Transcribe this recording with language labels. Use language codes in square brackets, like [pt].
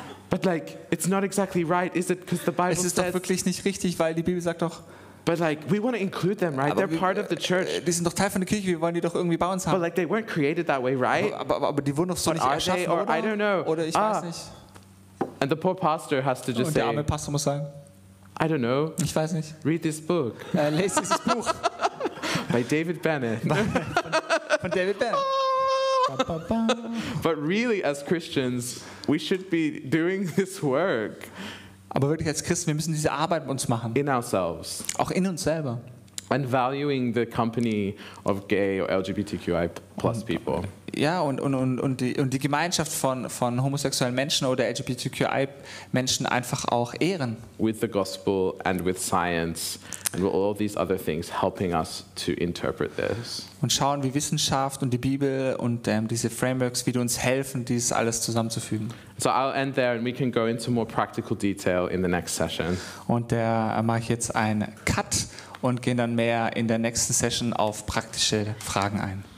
[en] But like, it's not exactly right, is it? Because the Bible says. [de] Es ist doch wirklich nicht richtig, weil die Bibel sagt doch. [en] But like, we want to include them, right? They're part of the church. [de] Die sind doch Teil von der Kirche. Wir wollen die doch irgendwie bei uns haben. [en] But like, they weren't created that way, right? [de] Aber die wurden doch so nicht erschaffen, oder? [en] I don't know. [de] Oder ich weiß nicht. [en] And the poor pastor has to just say. [de] Und der arme Pastor muss sagen. [en] I don't know. [de] Ich weiß nicht. [en] Read this book. [de] Lest dieses Buch. [en] By David Bennett. [de] Von David Bennett. [en] But really, as Christians, we should be doing this work. [de] Aber wirklich als Christen, wir müssen diese Arbeit mit uns machen. [en] In ourselves. [de] Auch in uns selber. [en] And valuing the company of gay or LGBTQI+ people. [de] Ja, und die Gemeinschaft von homosexuellen Menschen oder LGBTQI Menschen einfach auch ehren. [en] With the gospel and with science and with all these other things helping us to interpret this. [de] Und schauen, wie Wissenschaft und die Bibel und diese Frameworks, wie die uns helfen, dies alles zusammenzufügen. [en] So I'll end there and we can go into more practical detail in the next session. [de] Und da mache ich jetzt einen Cut und gehen dann mehr in der nächsten Session auf praktische Fragen ein.